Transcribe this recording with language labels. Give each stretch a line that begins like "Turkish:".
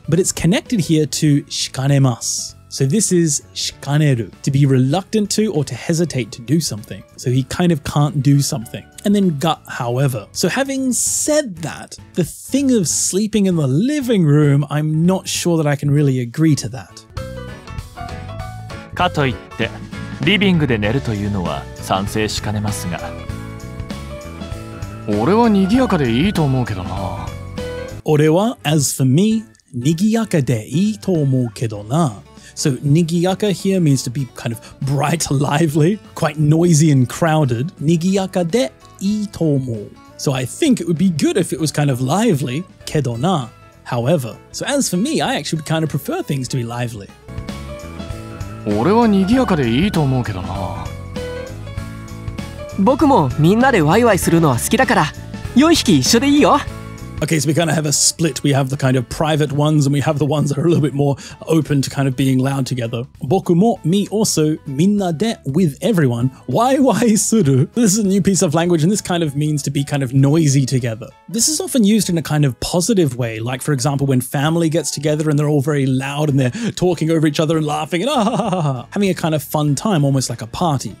English: But it's connected here to しかねます.So this is しかねる, to be reluctant to or to hesitate to do something. So he kind of can't do something. And then が, however. So having said that, the thing of sleeping in the living room, I'm not sure that I can really agree to that.
Japanese: かといって、リビングで寝るというのは賛成しかねますが。俺はにぎやかでいいと思うけどな。俺は,
English: as for me,
Japanese: にぎやかでいいと思うけどな。
English: So, nigiyaka here means to be kind of bright, lively, quite noisy and crowded.
Japanese: Nigiyaka de ii to mo.
English: So, I think it would be good if it was kind of lively,
Japanese: kedo na,
English: however. So, as for me, I actually kind of prefer things to be lively.
Japanese: 俺はにぎやかでいいと思うけどな。僕もみんなでワイワイするのは好きだから、4匹一緒でいいよ。
English: Okay, so we kind of have a split. We have the kind of private ones and we have the ones that are a little bit more open to kind of being loud together.
Japanese: Boku mo,
English: me also,
Japanese: minna de,
English: with everyone,
Japanese: waiwai suru.
English: This is a new piece of language and this kind of means to be kind of noisy together. This is often used in a kind of positive way, like for example when family gets together and they're all very loud and they're talking over each other and laughing and having a kind of fun time, almost like a party.